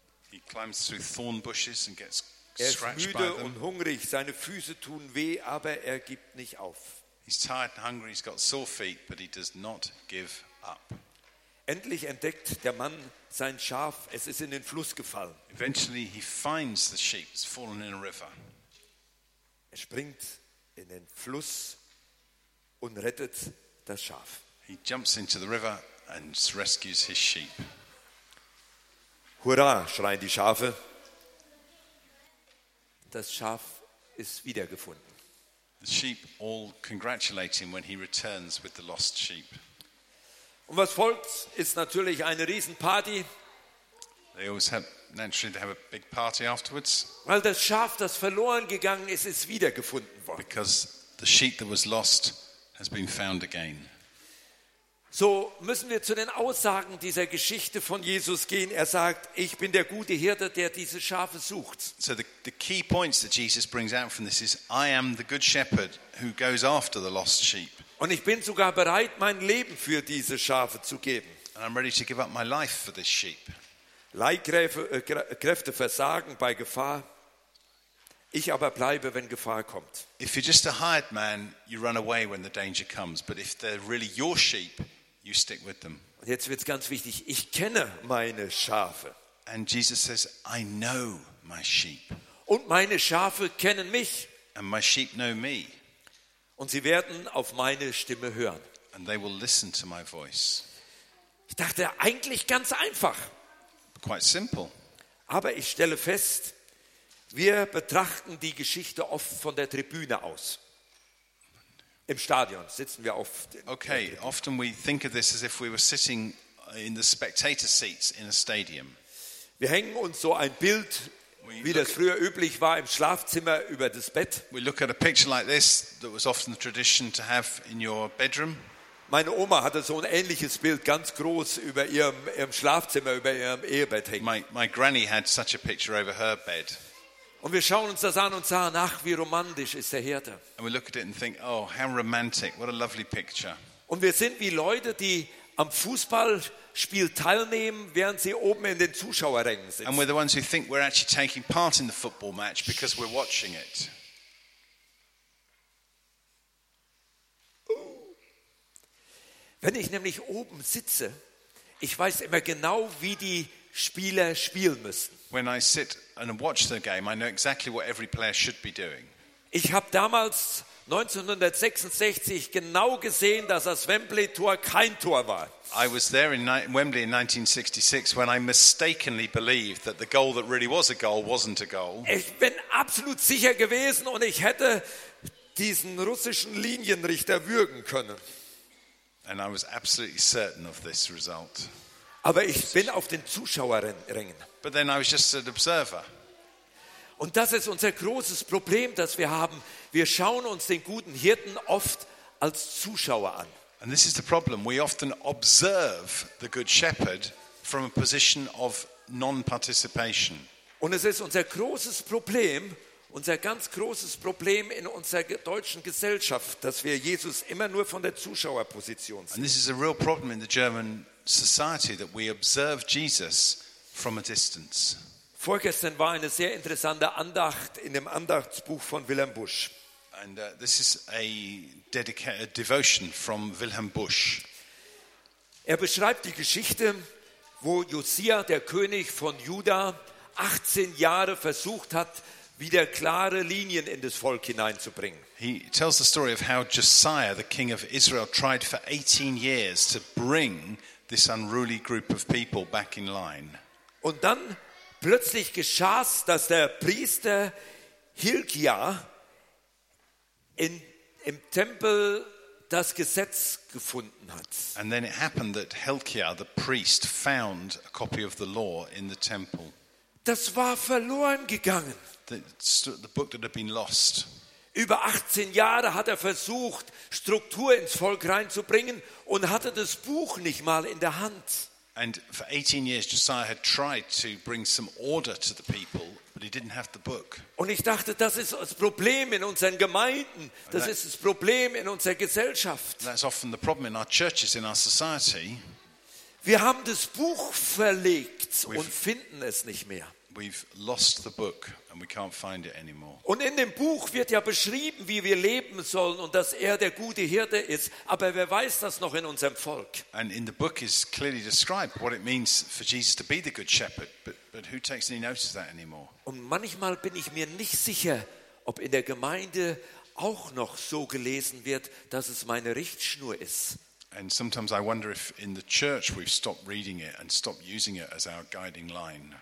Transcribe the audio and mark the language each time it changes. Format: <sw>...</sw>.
<en>He climbs through thorn bushes and gets scratched.</en> <de>Er ist müde und hungrig, seine Füße tun weh, aber er gibt nicht auf.</de> <en>He's tired and hungry, he's got sore feet, but he does not give up.</en> <de>Endlich entdeckt der Mann sein Schaf, es ist in den Fluss gefallen.</de> <en>Eventually he finds the sheep, it's fallen in a river.</en> <de>Er springt in den Fluss und rettet das Schaf.</de> <en>He jumps into the river and rescues his sheep.</en> <de>Hurra, schreien die Schafe. Das Schaf ist wiedergefunden.</de> <en>The sheep all congratulate him when he returns with the lost sheep.</en> <de>Und was folgt, ist natürlich eine Riesenparty.</de> <en>They always have, naturally they have a big party afterwards.</en> <de>Weil das Schaf, das verloren gegangen ist, ist wiedergefunden worden.</de> <en>Because the sheep that was lost has been found again.</en> <de>So müssen wir zu den Aussagen dieser Geschichte von Jesus gehen. Er sagt, ich bin der gute Hirte, der diese Schafe sucht.</de> <en>So the key points that Jesus brings out from this is, I am the good shepherd who goes after the lost sheep.</en> <de>Und ich bin sogar bereit, mein Leben für diese Schafe zu geben.</de> <en>And I'm ready to give up my life for this sheep.</en> <de>Leihkräfte versagen bei Gefahr. Ich aber bleibe, wenn Gefahr kommt.</de> <en>If you're just a hired man, you run away when the danger comes. But if they're really your sheep, you stick with them.</en> <de>Und jetzt wird's ganz wichtig. Ich kenne meine Schafe.</de> <en>And Jesus says, I know my sheep.</en> <de>Und meine Schafe kennen mich.</de> <en>And my sheep know me.</en> <de>Und sie werden auf meine Stimme hören.</de> <en>And they will listen to my voice.</en> <de>Ich dachte, eigentlich ganz einfach.</de> <en>Quite simple.</en> <de>Aber ich stelle fest, wir betrachten die Geschichte oft von der Tribüne aus. Im Stadion sitzen wir oft.</de> <en>Okay, often we think of this as if we were sitting in the spectator seats in a stadium.</en> <de>Wir hängen uns so ein Bild, wie das früher üblich war, im Schlafzimmer über das Bett.</de> <en>We look at a picture like this that was often the tradition to have in your bedroom.</en> <de>Meine Oma hatte so ein ähnliches Bild ganz groß über ihrem Schlafzimmer, über ihrem Ehebett hängen.</de> <en>My granny had such a picture over her bed.</en> <de>Und wir schauen uns das an und sagen, ach, wie romantisch ist der Hirte.</de> <en>And we look at it and think, oh, how romantic, what a lovely picture.</en> <de>Und wir sind wie Leute, die am Fußballspiel teilnehmen, während sie oben in den Zuschauerrängen sitzen.</de> <en>And we're the ones who think we're actually taking part in the football match because we're watching it.</en> <de>Wenn ich nämlich oben sitze, ich weiß immer genau, wie die Spieler spielen müssen.</de> <en>When I sit and watch the game, I know exactly what every player should be doing.</en> <de>Ich habe damals 1966 genau gesehen, dass das Wembley-Tor kein Tor war.</de> <en>I was there in Wembley in 1966 when I mistakenly believed that the goal that really was a goal wasn't a goal.</en> <de>Ich bin absolut sicher gewesen und ich hätte diesen russischen Linienrichter würgen können.</de> <en>And I was absolutely certain of this result.</en> <de>Aber ich bin auf den Zuschauerrängen.</de> <en>But then I was just an observer.</en> <de>Und das ist unser großes Problem, das wir haben. Wir schauen uns den guten Hirten oft als Zuschauer an.</de> <en>And this is the problem. We often observe the good shepherd from a position of non-participation.</en> <de>Und es ist unser großes Problem, unser ganz großes Problem in unserer deutschen Gesellschaft, dass wir Jesus immer nur von der Zuschauerposition sehen.</de> <en>And this is a real problem in the German society, that we observe Jesus from a distance.</en> <de>Vorgestern war eine sehr interessante Andacht in dem Andachtsbuch von Wilhelm Busch.</de> <en>And this is a dedicated devotion from Wilhelm Busch.</en> <de>Er beschreibt die Geschichte, wo Josia, der König von Juda, 18 Jahre versucht hat, wieder klare Linien in das Volk hineinzubringen.</de> <en>He tells the story of how Josiah, the king of Israel, tried for 18 years to bring this unruly group of people back in line.</en> <de>Und dann plötzlich geschah es, dass der Priester Hilkia im Tempel das Gesetz gefunden hat.</de> <en>And then it happened that Hilkia, the priest, found a copy of the law in the temple.</en> <de>Das war verloren gegangen.</de> <en>The book that had been lost.</en> <de>Über 18 Jahre hat er versucht, Struktur ins Volk reinzubringen und hatte das Buch nicht mal in der Hand.</de> <en>And for 18 years Josiah had tried to bring some order to the people, but he didn't have the book.</en> <de>Und ich dachte, das ist das Problem in unseren Gemeinden, das ist das Problem in unserer Gesellschaft.</de> <en>That's often the problem in our churches, in our society.</en> <de>Wir haben das Buch verlegt und finden es nicht mehr.</de> <en>We've lost the book and we can't find it anymore.</en> <de>Und in dem Buch wird ja beschrieben, wie wir leben sollen und dass er der gute Hirte ist, aber wer weiß das noch in unserem Volk?</de> <en>And in the book is clearly described what it means for Jesus to be the good shepherd, but who takes any notice of that anymore?</en> <de>Und manchmal bin ich mir nicht sicher, ob in der Gemeinde auch noch so gelesen wird, dass es meine Richtschnur ist.</de> <en>And sometimes I wonder if in the church we've stopped reading it and stopped using it as our guiding line.</en>